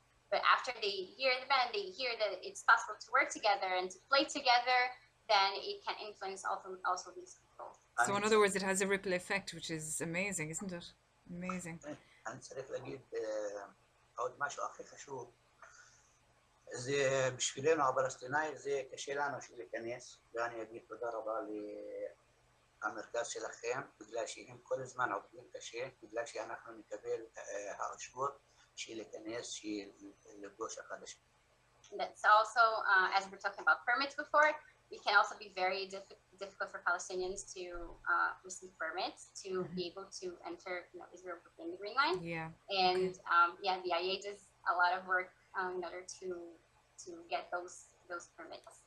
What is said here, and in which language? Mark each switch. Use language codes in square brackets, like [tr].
[en] But after they hear the band, they hear that it's possible to work together and to play together, then it can influence also these people. So in other words, it has a ripple effect, which is amazing, isn't it? Amazing. [he] אני צריך להגיד עוד משהו הכי חשוב. זה בשבילנו הפלסטינאי זה קשה לנו להיכנס ואני אגיד תודה רבה למרכז שלכם בגלל שהם כל הזמן עובדים קשה בגלל שאנחנו נקבל הרשות להיכנס לפגוש החדשים. [en] That's also, as we're talking about permits before, it can also be very difficult for Palestinians to receive permits to be able to enter, you know, Israel within the green line. Yeah. And yeah, the IA does a lot of work in order to get those permits.